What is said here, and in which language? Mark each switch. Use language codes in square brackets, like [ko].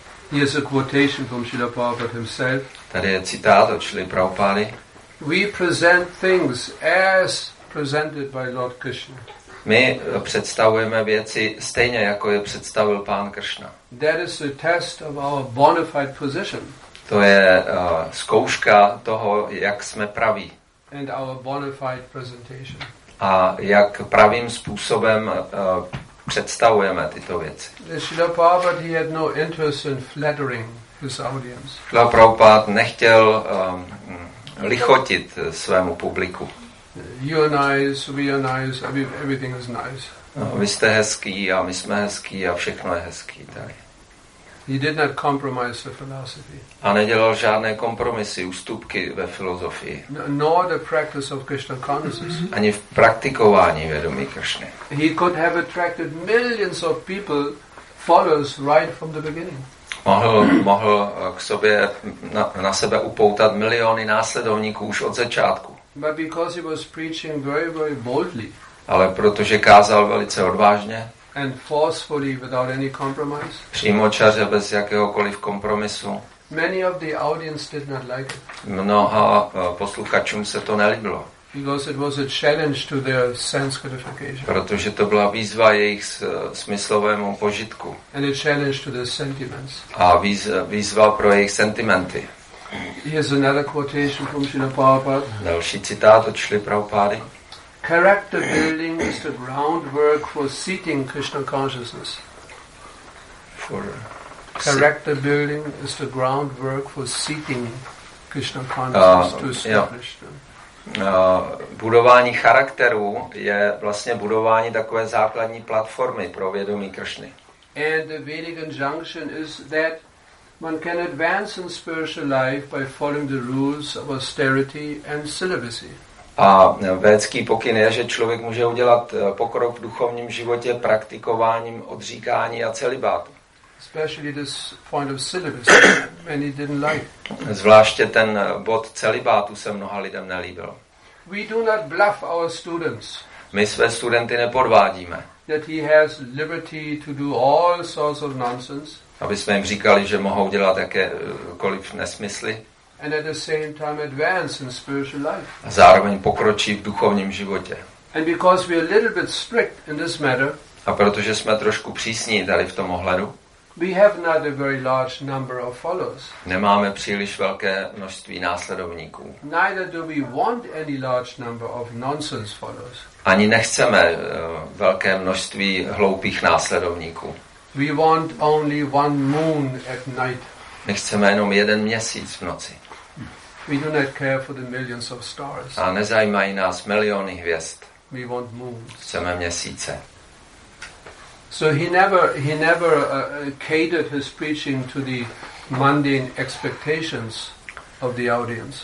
[en] Here's a quotation from Srila Prabhupada himself. [cs] Tady je citát od Srila Prabhupady. [en] We present things as presented by Lord Krishna. [cs] My představujeme věci stejně, jako je představil Pán Kršna. [en] That is the test of our bona fide position. [cs] To je zkouška toho, jak jsme praví. [en] And our bona fide presentation. [cs] A jak pravým způsobem představujeme tyto věci. [en] Srila Prabhupada, he had no interest in flattering his audience. [cs] Srila Prabhupada nechtěl lichotit svému publiku. [en] You are nice, we are nice, everything is nice. [cs] No, vy jste hezký a my jsme hezký a všechno je hezký. Tady. [en] He did not compromise the philosophy. [cs] A nedělal žádné kompromisy, ústupky ve filozofii. [en] Nor the practice of Krishna consciousness. [cs] Ani v praktikování vědomí Kršny. [en] He could have attracted millions of people, followers, right from the beginning. [cs] Mohl k sobě na sebe upoutat miliony následovníků už od začátku. [en] But because he was preaching very, very boldly. [cs] Ale protože kázal velice odvážně. [en] And forcefully, without any compromise. [cs] Přímočaře bez jakéhokoliv kompromisu. [en] Many of the audience did not like it. [cs] Mnoha posluchačům se to nelíbilo. [en] Because it was a challenge to their sense gratification. [cs] Protože to byla výzva jejich smyslovému požitku. [en] And a challenge to their sentiments. [cs] A výzva pro jejich sentimenty. [en] Here's another quotation from Srila Prabhupada. [cs] Další citát od Srily Prabhupády. [en] Character building is the groundwork for seating Krishna consciousness. Character building is the groundwork for seating Krishna consciousness to establish them. [cs] budování charakteru je vlastně budování takové základní platformy pro vědomí Kršny. [en] And the Vedic injunction is that one can advance in spiritual life by following the rules of austerity and celibacy. [cs] A védský pokyn je, že člověk může udělat pokrok v duchovním životě praktikováním odříkání a celibátu. [en] Especially this point of celibacy many didn't like. [cs] Zvláště ten bod celibátu se mnoha lidem nelíbil. [en] We do not bluff our students. [cs] My své studenty nepodvádíme. [en] That he has liberty to do all sorts of nonsense. [cs] Aby jsme jim říkali, že mohou dělat jakékoliv nesmysly. [en] And at the same time advance in spiritual life. [cs] A zároveň pokročí v duchovním životě. [en] And because we are a little bit strict in this matter. [cs] A protože jsme trošku přísní tady v tom ohledu. [en] We have not a very large number of followers. [cs] Nemáme příliš velké množství následovníků. [en] Neither do we want any large number of nonsense followers. [cs] Ani nechceme velké množství hloupých následovníků. [en] We want only one moon at night. [cs] My chceme jenom jeden měsíc v noci. [en] We do not care for the millions of stars. [cs] A nezajímají nás miliony hvězd. [en] We want moons. [cs] Chceme měsíce. [en] So he never catered his preaching to the mundane expectations of the audience.